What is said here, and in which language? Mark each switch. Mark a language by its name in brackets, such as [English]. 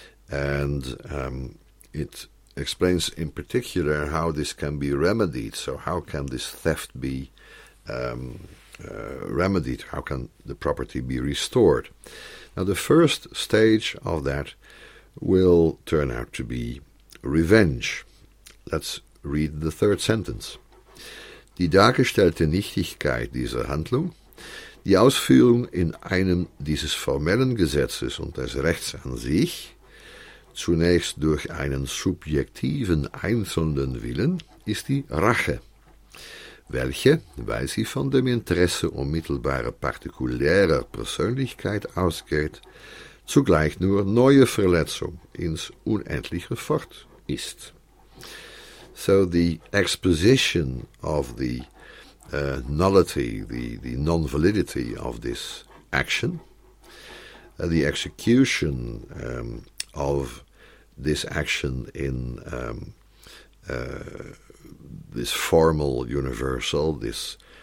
[English] And it explains in particular how this can be remedied. So how can this theft be remedied, how can the property be restored? Now, the first stage of that will turn out to be revenge. Let's read the third sentence. [German] Die dargestellte Nichtigkeit dieser Handlung, die Ausführung in einem dieses formellen Gesetzes und des Rechts an sich, zunächst durch einen subjektiven einzelnen Willen, ist die Rache, welche, weil sie von dem Interesse unmittelbarer partikulärer Persönlichkeit ausgeht, zugleich nur neue Verletzung ins Unendliche fort ist. [English] So the exposition of the nullity, the non-validity of this action, the execution of this action in this formal universal, this